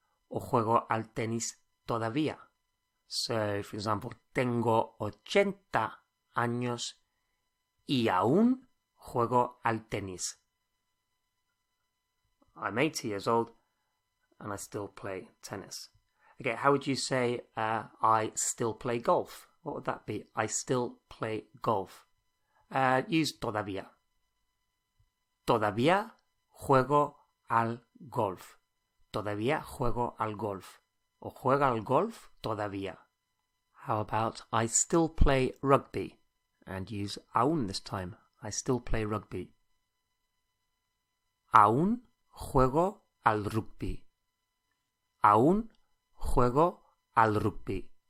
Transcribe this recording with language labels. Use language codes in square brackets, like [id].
[es] O juego al tenis todavía. [en] So, for example, [es] tengo 80 años y aún juego al tenis. [en] I'm 80 years old and I still play tennis. Okay, how would you say I still play golf? What would that be? I still play golf. Use todavía. [es] Todavía juego al golf. Todavía juego al golf. O juega al golf todavía. [en] How about I still play rugby? And use aún this time. I still play rugby. [es] Aún juego al rugby. Aún juego al rugby.